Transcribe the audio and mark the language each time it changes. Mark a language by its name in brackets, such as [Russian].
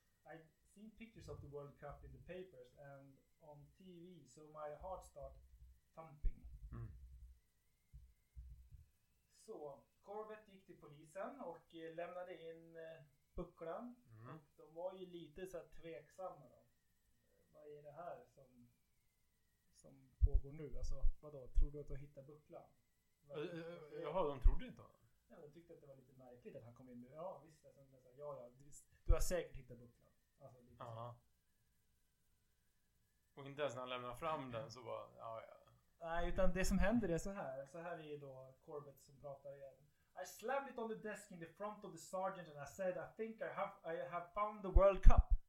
[English] I'd seen pictures of the World Cup in the papers and on TV, so my heart started thumping. Mm. [Swedish] Så, Corbett gick till polisen och lämnade in bucklan. Mm. De var ju lite så här tveksamma då. Vad är det här som pågår nu? Alltså, vadå? Tror du att du hittar bucklan? Jaha, de trodde inte. Ja, de tyckte att det var lite märkligt att han kom in nu. Ja, visst. Alltså, ja, visst. Du har säkert hittat bucklan. Alltså, lite så. Och inte ens när han lämnar fram den så bara, ja. Nej, utan det som händer är så här är då Corbett som pratar igen. [English] I slammed it on the desk in the front of the sergeant and I said, I think I have found the World Cup.